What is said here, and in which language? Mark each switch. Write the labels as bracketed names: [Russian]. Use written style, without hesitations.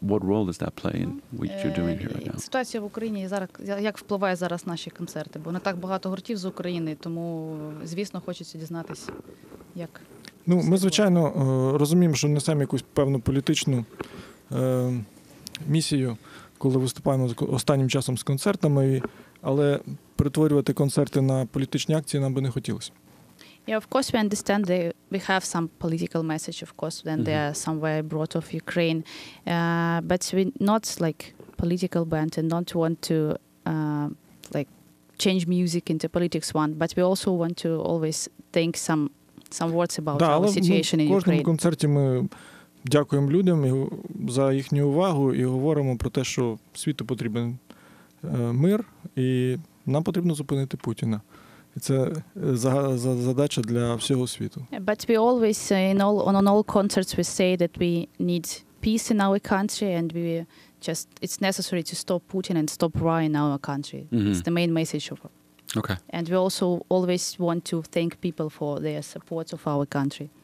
[English] What role does that play in what you're doing here right now? [Ukrainian] Ситуація в Україні зараз, як впливає зараз наші концерти? Бо не так багато гуртів з України, тому, звісно, хочеться дізнатись, як... Ну, ми, звичайно, розуміємо, що несемо якусь певну політичну місію, коли виступаємо останнім часом з концертами, але перетворювати концерти на політичні акції нам би не хотілося. [English] Yeah, of course we understand that we have some political message, of course, then they are somewhere brought off Ukraine. But we're not like political band and don't want to like change music into politics one, but we also want to always think some words about our situation in Ukraine. [Ukrainian] Так, кожному концерті ми дякуємо людям за їхню увагу і говоримо про те, що світу потрібен мир і нам потрібно зупинити Путіна. Це задача для всього світу. [English] But we always on all concerts we say that we need peace in our country and we just it's necessary to stop Putin and stop war in our country. Mm-hmm. It's the main message of. Okay. And we also always want to thank people for their support of our country.